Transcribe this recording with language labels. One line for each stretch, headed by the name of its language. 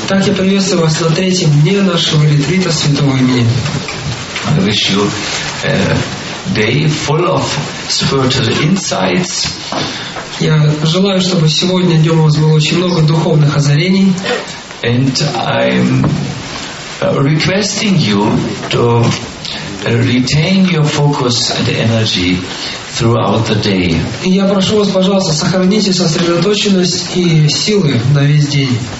Russian: Так я приветствую вас на третьем дне нашего ретрита святого имени.
English: I wish you a day full of spiritual insights.
Russian: Я желаю, чтобы сегодня днем у вас было очень много духовных озарений.
English: And I'm requesting you to retain your focus and energy throughout the day.
Russian: И я прошу вас, пожалуйста, сохраните сосредоточенность и силы на весь день.